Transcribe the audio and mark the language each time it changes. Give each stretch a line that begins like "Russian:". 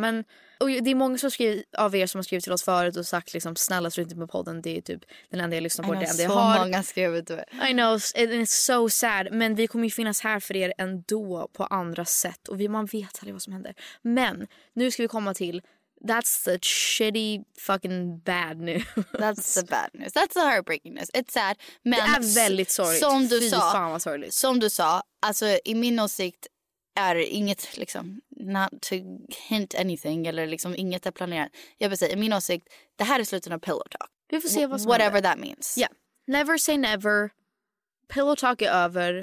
Swedish: Men och det är många som av er som har skrivit till oss förut och sagt liksom, snälla slå inte med podden, det är typ den enda jag lyssnar på. Det är så många skrivit till
English: mig. I know, it's so sad.
Swedish: Men vi kommer ju finnas här för er ändå på andra sätt. Och man vet aldrig vad som händer. Men nu ska vi komma till...
English: That's the shitty fucking bad news. That's the bad news. That's the heartbreaking news. It's sad. Men
Swedish: det är väldigt sorgligt. Som du fy sa, fan vad sorgligt. Som du sa, alltså i min åsikt är inget liksom,
English: not to hint anything,
Swedish: eller liksom inget är planerat. Jag vill säga, i min åsikt, det här är slutet av Pillow Talk. Vi får se vad som
English: whatever that means. Yeah. Never say never. Pillow Talk
Swedish: är över.